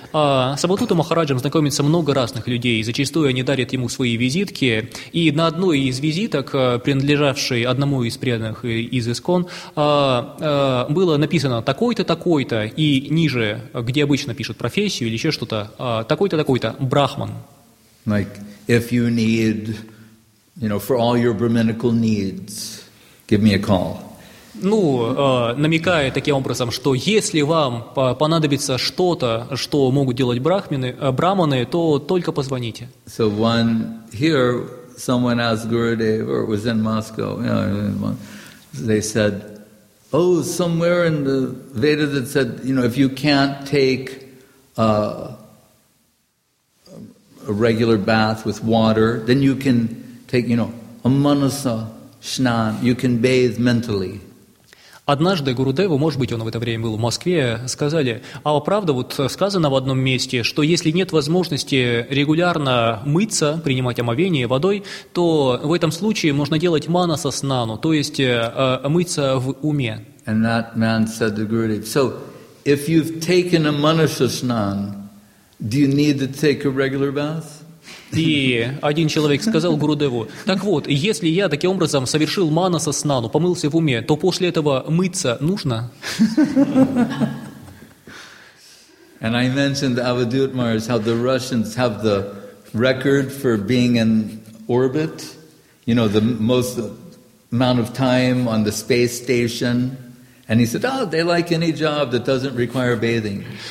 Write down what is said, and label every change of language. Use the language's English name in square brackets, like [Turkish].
[Russian] С Абатутом Махараджем знакомится много разных людей, зачастую они дарят ему свои визитки, и на одной из визиток, принадлежавшей одному из преданных из ИСКОН, было написано «такой-то, такой-то», и ниже, где обычно пишут профессию или еще что-то, «такой-то, такой-то, брахман». [English] Like, if you need, you know, for all your brahminical needs, give me a call. [Russian] Ну, намекая таким образом, что если вам понадобится что-то, что могут делать брахмины, браманы, то только позвоните. [English] So one here, someone asked Gurudev, or it was in Moscow, you know, they said, oh, somewhere in the Veda that said, you know, if you can't take a regular bath with water, then you can take, you know, a manasa shnan, you can bathe mentally. [Russian] Однажды Гурудеву, может быть, он в это время был в Москве, сказали, а правда, вот сказано в одном месте, что если нет возможности регулярно мыться, принимать омовение водой, то в этом случае можно делать манаса снану, то есть мыться в уме. [English] And that man said to Gurudev, so if you've taken a manasa snan, do you need to take a regular bath? [Russian] И один человек сказал Гурудеву, так вот, если я таким образом совершил манаса снану, помылся в уме, то после этого мыться нужно? [English] And I mentioned Avadhut Maharaj, how the Russians have the record for being in orbit, you know, the most amount of time on the space station. And he said, oh, they like any job that doesn't require bathing.